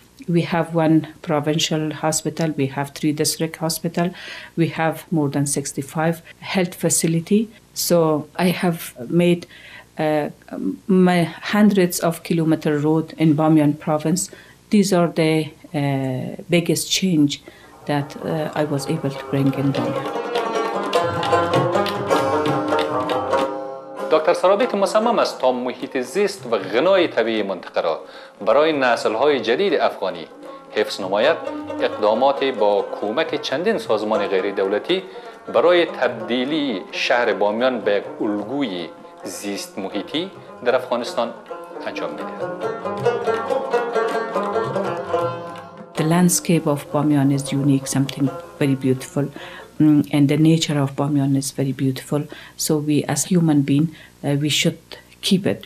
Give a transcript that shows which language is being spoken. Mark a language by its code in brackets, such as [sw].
[en] We have one provincial hospital, we have three district hospital, we have more than 65 health facility. So I have made my hundreds of kilometer road in Bamyan province. These are the biggest change that I was able to bring in Bamyan. [fa] دکتر سرابیت مصمم است تا محیط زیست و غنای طبیعی منطقه را برای نسل‌های جدید افغانی حفظ نماید، اقدامات با کمک چندین سازمان غیر دولتی برای تبدیلی شهر بامیان به الگوی زیست محیطی در افغانستان انجام می‌دهد. [en] The landscape of Bamyan is unique, something very beautiful. And the nature of Bamyan is very beautiful. So we, as human being, we should keep it.